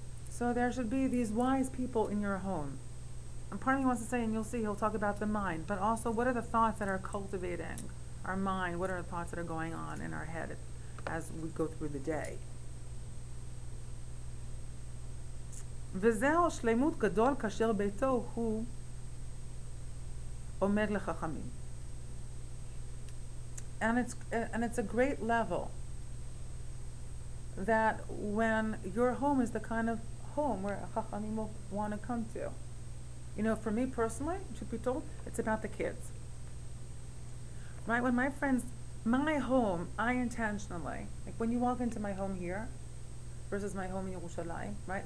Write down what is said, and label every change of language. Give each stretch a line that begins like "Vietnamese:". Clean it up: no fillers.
English: So there should be these wise people in your home. And part of me wants to say, and you'll see, he'll talk about the mind, but also what are the thoughts that are cultivating our mind? What are the thoughts that are going on in our head as we go through the day?
Hebrew: וזהו שלמות גדול כאשר ביתו הוא עומד לחכמים.
English: And it's a great level that when your home is the kind of home where chachamim will want to come to. You know, for me personally, truth be told, it's about the kids. Right, when my friends, my home, I intentionally, like when you walk into my home here, versus my home in Yerushalayim, right?